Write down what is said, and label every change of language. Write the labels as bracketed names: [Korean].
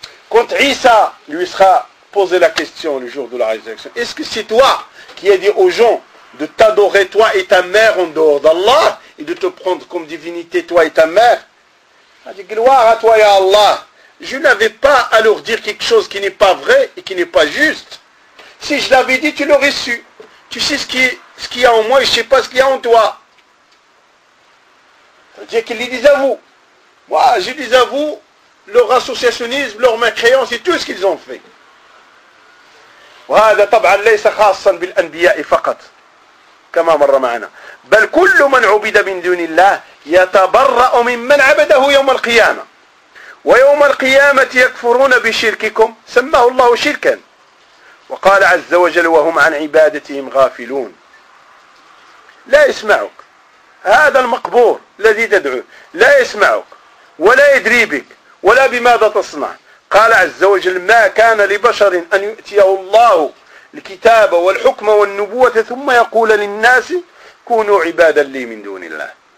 [French] quand Isa lui sera posé la question le jour de la résurrection est-ce que c'est toi qui as dit aux gens de t'adorer toi et ta mère en dehors d'Allah et de te prendre comme divinité toi et ta mère a dit gloire à toi et à Allah je n'avais pas à leur dire quelque chose qui n'est pas vrai et qui n'est pas juste. Si je l'avais dit, tu l'aurais su. Tu sais ce qu'il y a en moi et je ne sais pas ce qu'il y a en toi. C'est-à-dire qu'ils les disent à vous. Moi, je dis à vous leur associationnisme, leur mécréance et tout ce qu'ils ont fait. [Arabic] وهذا طبعا ليس خاصا بالأنبياء فقط كما مر معنا بل كل من عبد من دون الله يتبرأ ممن عبده يوم القيامة ويوم القيامة يكفرون بشرككم سماه الله شركا وقال عز وجل وهم عن عبادتهم غافلون لا يسمعك هذا المقبور الذي تدعوه لا يسمعك ولا يدري بك ولا بماذا تصنع قال عز وجل ما كان لبشر أن يؤتيه الله الكتاب والحكم والنبوة ثم يقول للناس كونوا عبادا لي من دون الله